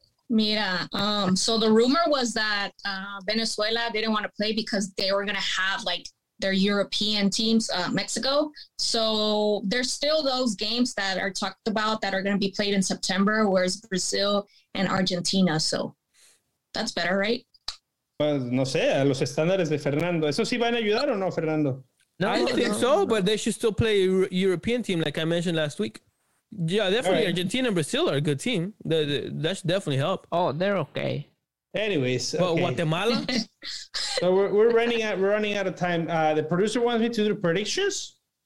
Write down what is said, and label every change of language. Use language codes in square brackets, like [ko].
[en] Mira, so the rumor was that Venezuela didn't want to play because they were going to have like their European teams, Mexico. So there's still those games that are talked about that are going to be played in September, whereas Brazil and Argentina. So that's better, right? [es] Pues no sé, a los estándares de Fernando. ¿Eso sí van a ayudar o no, Fernando? [en] No, I don't think so, but they should still play a European team like I mentioned last week. Yeah, definitely. Right. Argentina and Brazil are a good team. That should definitely help. Oh, they're okay. Anyways. But okay. Guatemala? So we're running out of time. The producer wants me to do predictions?